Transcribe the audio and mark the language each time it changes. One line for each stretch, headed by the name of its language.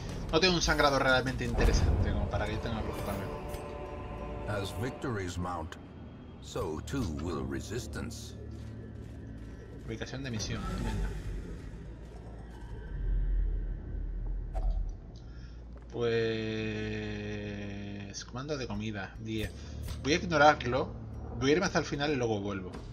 Spanish: No tengo un sangrado realmente interesante como para que yo tenga que preocuparme.
English: As victories mount, so too will resistance.
Spanish: Ubicación de misión, venga. Pues... comando de comida, 10. Voy a ignorarlo, voy a irme hasta el final y luego vuelvo.